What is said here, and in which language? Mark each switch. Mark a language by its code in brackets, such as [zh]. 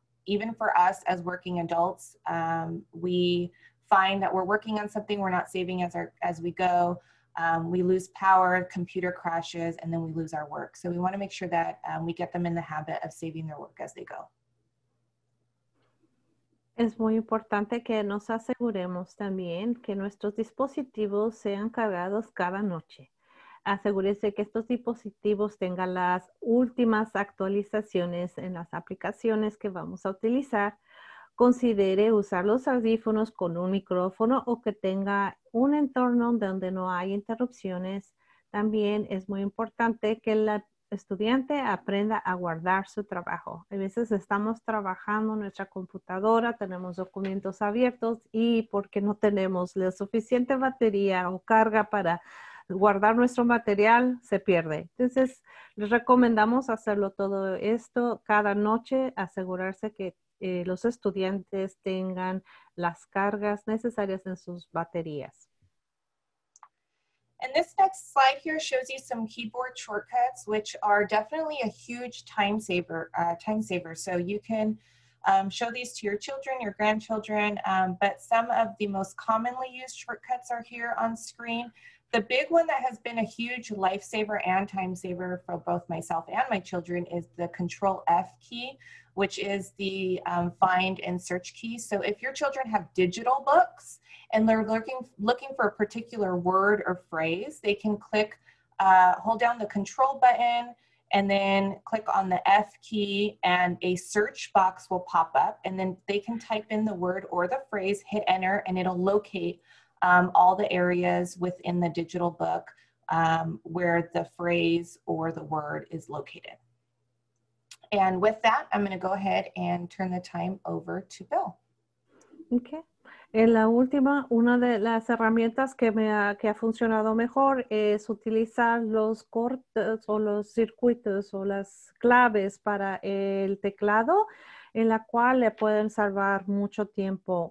[en] Even for us as working adults, we find that we're working on something, we're not saving as we go. We lose power, computer crashes, and then we lose our work. So we want to make sure that we get them in the habit of saving their work as they go. [es] Es muy importante que nos aseguremos también que nuestros dispositivos sean cargados cada noche. Asegúrese que estos dispositivos tengan las últimas actualizaciones en las aplicaciones que vamos a utilizar. Considere usar los audífonos con un micrófono o que tenga un entorno donde no hay interrupciones. También es muy importante que el estudiante aprenda a guardar su trabajo. A veces estamos trabajando en nuestra computadora, tenemos documentos abiertos y porque no tenemos la suficiente batería o carga para guardar nuestro material, se pierde. Entonces, les recomendamos hacerlo todo esto cada noche, asegurarse que los estudiantes tengan las cargas necesarias en sus baterías. [en] And this next slide here shows you some keyboard shortcuts, which are definitely a huge time saver. So you can Show these to your children, your grandchildren, but some of the most commonly used shortcuts are here on screen. The big one that has been a huge lifesaver and time saver for both myself and my children is the Control F key, which is the find and search key. So if your children have digital books and they're looking for a particular word or phrase, they can click, hold down the Control button, and then click on the F key and a search box will pop up, and then they can type in the word or the phrase, hit enter, and it'll locate all the areas within the digital book where the phrase or the word is located. And with that, I'm gonna go ahead and turn the time over to Bill. Okay. [es] En la última, una de las herramientas que ha funcionado mejor es utilizar los cortes o los circuitos o las claves para el teclado, en la cual le pueden salvar mucho tiempo.